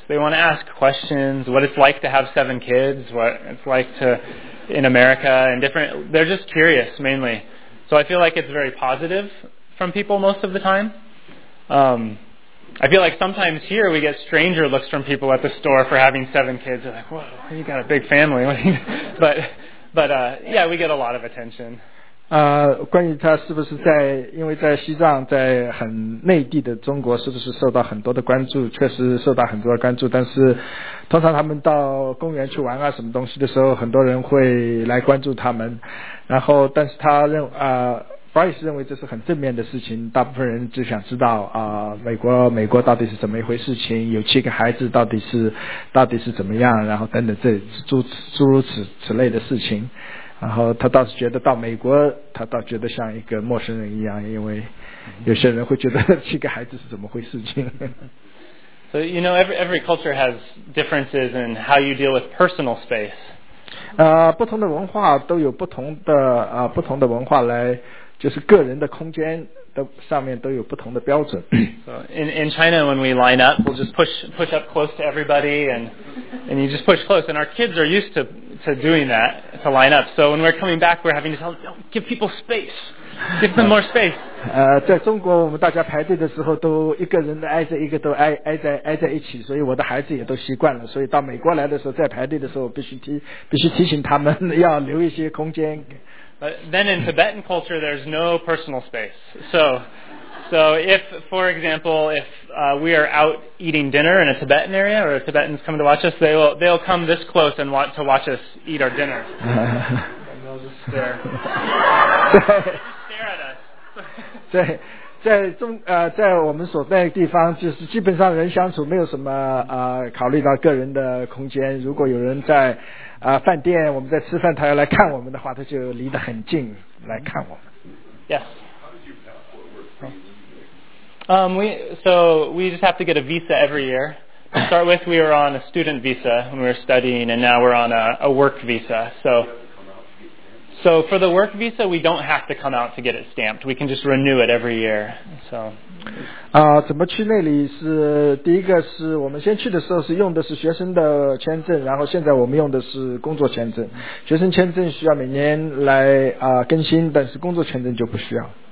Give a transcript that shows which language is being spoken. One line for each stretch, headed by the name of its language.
English: They want to ask questions, what it's like to have 7 kids, what it's like to in America and different. They're just curious mainly. So I feel like it's very positive from people most of the time. I feel like sometimes here we get stranger looks from people at the store for having 7 kids. They're like, whoa, you got a big family. but we get a lot of attention.
Chinese: 关于他是不是在，因为在西藏，在很内地的中国，是不是受到很多的关注？确实受到很多的关注。但是，通常他们到公园去玩啊，什么东西的时候，很多人会来关注他们。然后，但是他认为Bryce 认为这是很正面的事情，大部分人只想知道美国到底是怎么一回事情，有7个孩子到底是怎么样，然后等等这诸如此类的事情。然后他倒是觉得到美国，他倒觉得像一个陌生人一样，因为有些人会觉得7个孩子是怎么回事情。
English: So you know, every culture has differences in how you deal with personal space.
Chinese: 不同的文化都有不同的文化来就是个人的空间都上面都有不同的标准。
English: So in China, when we line up, we'll just push up close to everybody, and you just push close. And our kids are used to doing that, to line up. So when we're coming back, we're having to tell them, give people space, give them more space.
Chinese: 在中国，我们大家排队的时候都一个人挨着一个，都挨在一起，所以我的孩子也都习惯了。所以到美国来的时候，在排队的时候，必须提醒他们要留一些空间。
English: But then in Tibetan culture, there's no personal space. So if, for example, if we are out eating dinner in a Tibetan area, or a Tibetan's coming to watch us, they'll come this close and want to watch us eat our dinner. And they'll just stare. Just stare at us.
Chinese: 在我们所在的地方，就是基本上人相处没有什么考虑到个人的空间。如果有人在饭店，我们在吃饭，他要来看我们的话，他就离得很近来看我们。
English: Yes. We just have to get a visa every year. To start with, we were on a student visa when we were studying, and now we're on a work visa. So for the work visa, we don't have to come out to get it stamped. We can just renew it every year. So,
Chinese: 怎么去那里是第一个是我们先去的时候是用的是学生的签证，然后现在我们用的是工作签证。学生签证需要每年来更新，但是工作签证就不需要。